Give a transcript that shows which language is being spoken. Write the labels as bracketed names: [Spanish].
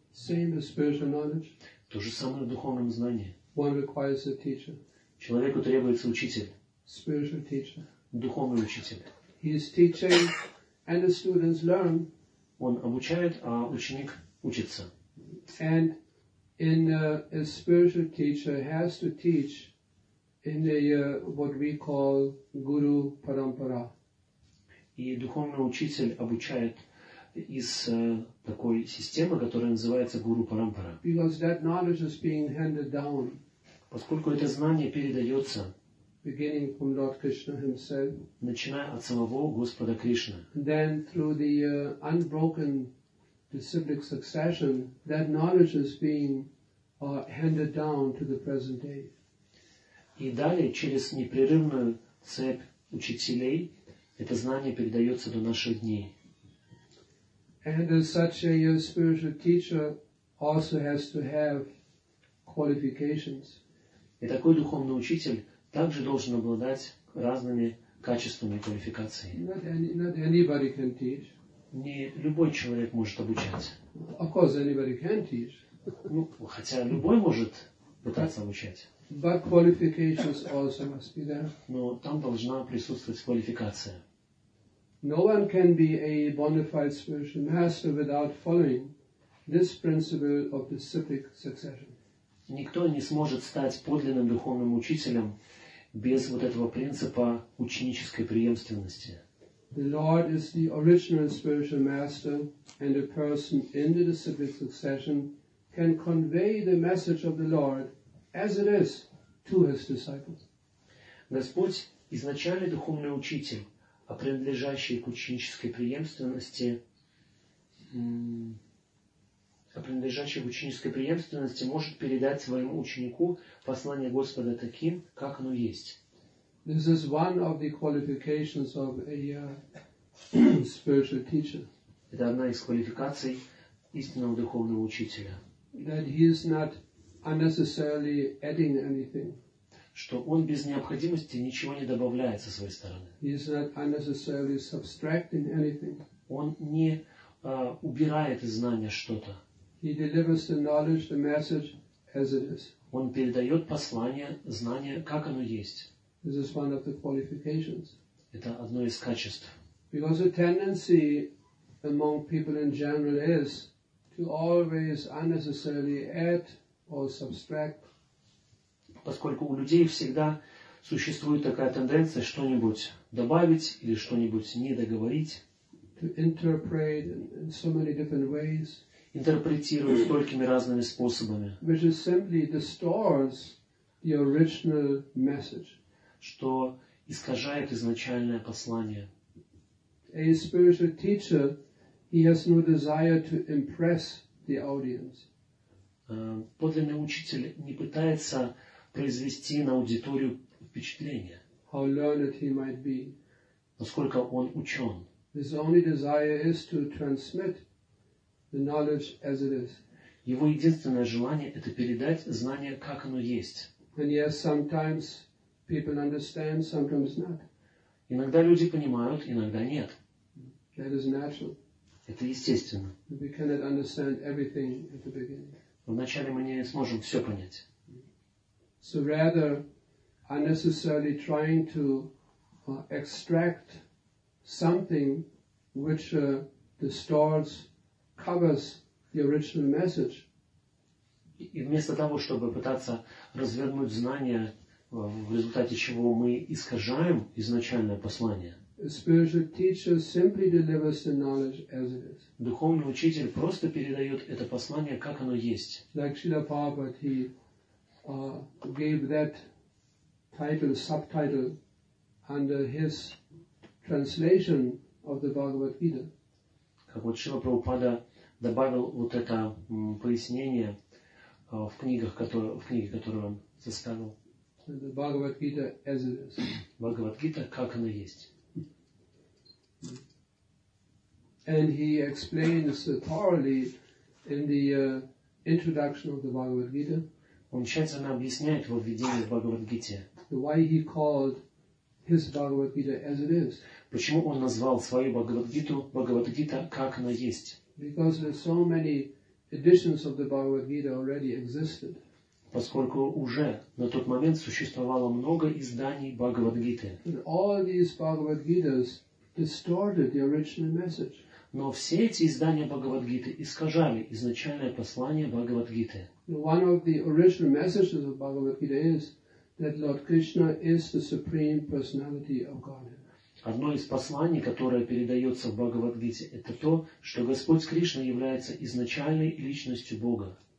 [English] Same as spiritual knowledge. [Russian] То же самое в духовном знании. [English] One requires a teacher. [Russian] Человеку требуется учитель. [English] Spiritual teacher. [Russian] Духовный учитель. [English] He is teaching and the students learn. [Russian] Он обучает, а ученик учится. [English] And in a spiritual teacher has to teach in a what we call guru parampara. [Russian] И духовный учитель обучает из такой системы, которая называется гуру парампара. [English] Because that knowledge is being handed down. [Russian] Поскольку это знание передается, [English] beginning from Lord Krishna himself, [Russian] начиная от самого Господа Кришны, [English] then through the unbroken disciplic succession, that knowledge is being handed down to the present day. [Russian] И далее через непрерывную цепь учителей это знание передается до наших дней. [English] And as such, a spiritual teacher also has to have qualifications. [Russian] И такой духовный учитель также должен обладать разными качествами квалификации. [English] Not anybody can teach. [Russian] Не любой человек может обучать. [English] Of course, anybody can teach. [Russian] Ну, хотя любой может пытаться обучать. [English] But qualifications also must be there. [Russian] Но там должна присутствовать квалификация. [English] No one can be a bona fide spiritual master without following this principle of disciplic succession. [Russian] Никто не сможет стать подлинным духовным учителем без вот этого принципа ученической преемственности. [English] The Lord is the original spiritual master, and a person in the disciplic succession can convey the message of the Lord as it is to his disciples. [Russian] Господь изначально духовный учитель, а принадлежащий к ученической преемственности, может передать своему ученику послание Господа таким, как оно есть. [English] This is one of the qualifications of a spiritual teacher. [Russian] Это одна из квалификаций истинного духовного учителя. [English] That he is not unnecessarily adding anything. [Russian] Что он без необходимости ничего не добавляет со своей стороны. [English] He's not unnecessarily subtracting anything. [Russian] Он не убирает из знания что-то. [English] He delivers the knowledge, the message, as it is. [Russian] Он передает послание, знание, как оно есть. [English] This is one of the qualifications. [Russian] Это одно из качеств. [English] Because the tendency among people in general is to always unnecessarily add or subtract. [Russian] Поскольку у людей всегда существует такая тенденция что-нибудь добавить или что-нибудь не договорить. [English] To interpret in so many different ways. [Russian] Интерпретируют столькими разными способами. [English] Which is simply distorts the original message. [Russian] Что искажает изначальное послание. [English] A spiritual teacher, he has no desire to impress the audience. [Russian] Подлинный учитель не пытается произвести на аудиторию впечатление. [English] How learned he might be. [Russian] Насколько он учен. [English] His only desire is to transmit the knowledge as it is. [Russian] Его единственное желание – это передать знание, как оно есть. [English] And yes, sometimes people understand, sometimes not. [Russian] Иногда люди понимают, иногда нет. [English] That is natural. [Russian] Это естественно. [English] We cannot understand everything at the beginning. [Russian] Вначале мы не сможем все понять. [English] So rather, unnecessarily trying to extract something which distorts, covers the original message. [Russian] И вместо того, чтобы пытаться развернуть знание, в результате чего мы искажаем изначальное послание, [English] a spiritual teacher simply delivers the knowledge as it is. [Russian] Духовный учитель просто передает это послание, как оно есть. [English] Like Srila Prabhupada, he gave that title, subtitle under his translation of the Bhagavad Gita. [Russian] Как вот Шрила Прабхупада добавил вот это пояснение в книгах, в книге, которую он составил. [English] The Bhagavad Gita as it is. [Russian] Bhagavad Gita, как она есть. [English] And he explains thoroughly in the introduction of the Bhagavad Gita. [Russian] Он тщательно объясняет во введении в Бхагавад Гите. [English] Why he called his Bhagavad Gita as it is. [Russian] Почему он назвал свою Бхагавад Гиту, как она есть? [English] Because there are so many editions of the Bhagavad Gita already existed. [Russian] Поскольку уже на тот момент существовало много изданий Бхагавад Гиты. [English] All these Bhagavad Gitas distorted the original message. [Russian] Но все эти издания Бхагавад Гиты искажали изначальное послание Бхагавад Гиты. [English] One of the original messages of Bhagavad Gita is that Lord Krishna is the supreme personality of Godhead. [Russian] Одно из посланий, которое передается в Бхагавад-гите, это то, что Господь Кришна является изначальной личностью Бога.